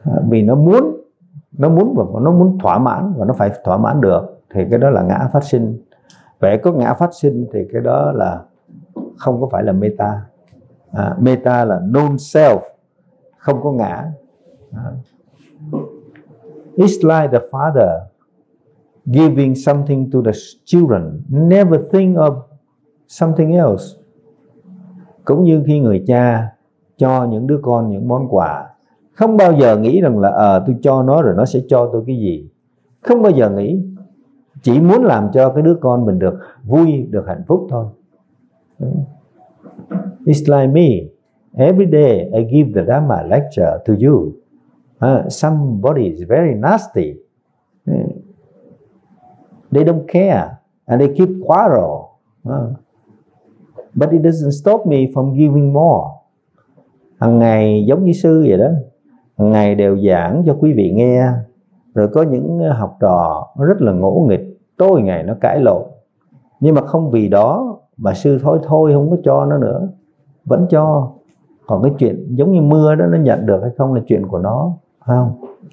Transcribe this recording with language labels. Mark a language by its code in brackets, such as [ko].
[vi] Vì nó muốn thỏa mãn, và nó phải thỏa mãn được thì cái đó là ngã phát sinh. Vậy có ngã phát sinh thì cái đó là không có phải là metta. Metta là non-self, không có ngã. [en] It's like the father giving something to the children, never think of something else. [vi] Cũng như khi người cha cho những đứa con những món quà, không bao giờ nghĩ rằng là tôi cho nó rồi nó sẽ cho tôi cái gì. Không bao giờ nghĩ, chỉ muốn làm cho cái đứa con mình được vui, được hạnh phúc thôi. [en] It's like me, every day I give the Dhamma lecture to you. Somebody is very nasty. They don't care and they keep quarrel. But it doesn't stop me from giving more. [vi] Hằng ngày giống như sư vậy đó, hằng ngày đều giảng cho quý vị nghe. Rồi có những học trò rất là ngỗ nghịch, tối ngày nó cãi lộn, nhưng mà không vì đó mà sư thôi không có cho nó nữa, vẫn cho. Còn cái chuyện giống như mưa đó, nó nhận được hay không là chuyện của nó, phải không?